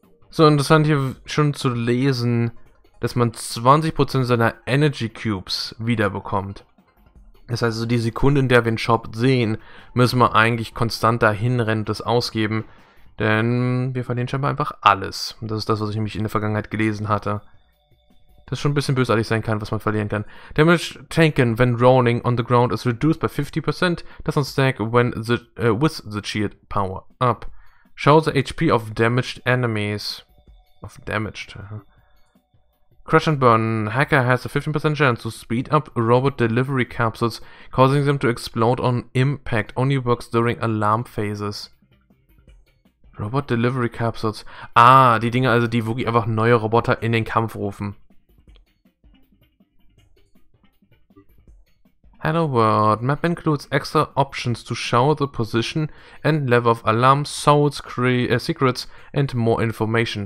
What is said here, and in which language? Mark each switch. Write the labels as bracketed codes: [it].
[de] So, interessant hier schon zu lesen, dass man 20% seiner Energy Cubes wiederbekommt. Das heißt, also die Sekunde, in der wir den Shop sehen, müssen wir eigentlich konstant dahin rennen und das ausgeben. Denn wir verlieren scheinbar einfach alles. Und das ist das, was ich nämlich in der Vergangenheit gelesen hatte. Das schon ein bisschen bösartig sein kann, was man verlieren kann. [en] Damage taken when rolling on the ground is reduced by 50%. Doesn't stack when with the shield power up. Show the HP of damaged enemies. Of damaged, huh? Crash and burn. Hacker has a 15% chance to speed up robot delivery capsules, causing them to explode on impact. Only works during alarm phases. Robot delivery capsules. [de] Ah, die Dinge also, die wirklich einfach neue Roboter in den Kampf rufen. [en] Hello world. Map includes extra options to show the position and level of alarm, souls, secrets and more information.